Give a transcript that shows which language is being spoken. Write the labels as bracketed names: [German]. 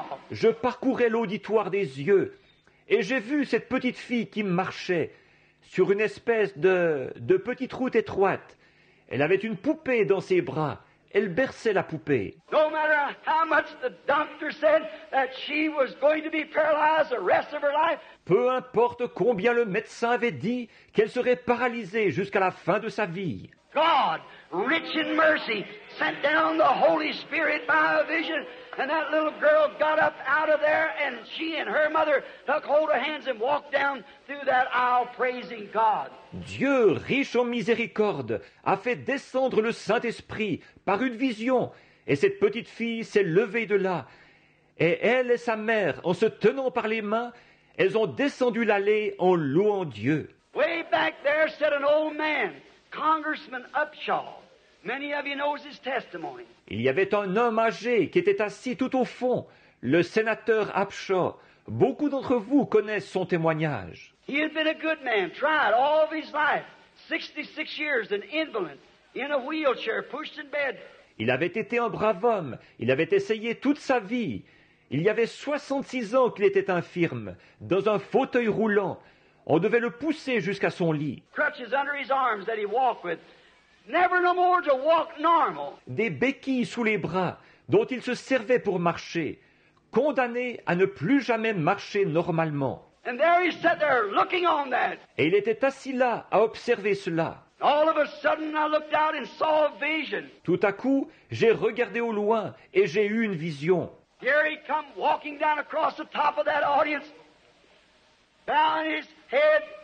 [French] Je parcourais l'auditoire des yeux et j'ai vu cette petite fille qui marchait sur une espèce de petite route étroite. Elle avait une poupée dans ses bras. Elle berçait la poupée. [English] No matter how much the doctor said that she was going to be paralyzed the rest of her life. [French] Peu importe combien le médecin avait dit qu'elle serait paralysée jusqu'à la fin de sa vie. [English] God, rich in mercy, sent down the Holy Spirit by a vision, and that little girl got up out of there, and she and her mother took hold of hands and walked down through that aisle praising God. [French] Dieu, riche en miséricorde, a fait descendre le Saint-Esprit par une vision, et cette petite fille s'est levée de là. Et elle et sa mère, en se tenant par les mains, elles ont descendu l'allée en louant Dieu. [English] Way back there sat an old man, Congressman Upshaw. Many of you know his testimony. [French] Il y avait un homme âgé qui était assis tout au fond, le sénateur Upshaw. Beaucoup d'entre vous connaissent son témoignage. [English] He had been a good man, tried all of his life, 66 years, an invalid, in a wheelchair, pushed in bed. [French] Il avait été un brave homme, il avait essayé toute sa vie. Il y avait 66 ans qu'il était infirme, dans un fauteuil roulant. On devait le pousser jusqu'à son lit. [English] Crutches under his arms that he walked with, never no more to walk normal. [French] Des béquilles sous les bras, dont il se servait pour marcher. condamné à ne plus jamais marcher normalement. [English] And there he sat there looking on that. [French] Et il était assis là à observer cela. [English] All of a sudden I looked out and saw a vision. [French] Tout à coup, j'ai regardé au loin et j'ai eu une vision. [English] Here he come walking down across the top of that audience, bowing his head.